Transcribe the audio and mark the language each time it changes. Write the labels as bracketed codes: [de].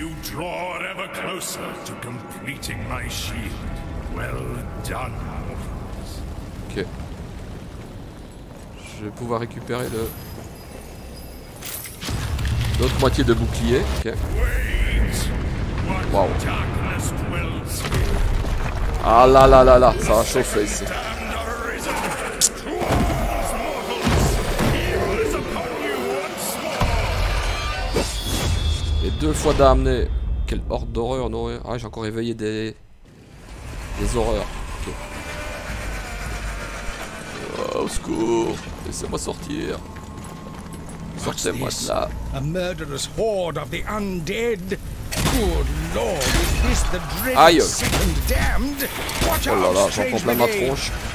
[en] Draw ever closer to completing my shield. Well done, mortals. Ok. [fr] Je vais pouvoir récupérer le... l'autre moitié de bouclier. Ok. Wow. Ah là là là là, ça va chauffer ici. Et deux fois damné. Quelle horde d'horreur, non? Ah, j'ai encore éveillé des horreurs. Ok. Oh, au secours! Laissez-moi sortir! Sortez-moi de là! [en] A murderous horde of the undead! Good lord, is this the dread damned? [fr] Oh là là, j'en prends plein ma tronche!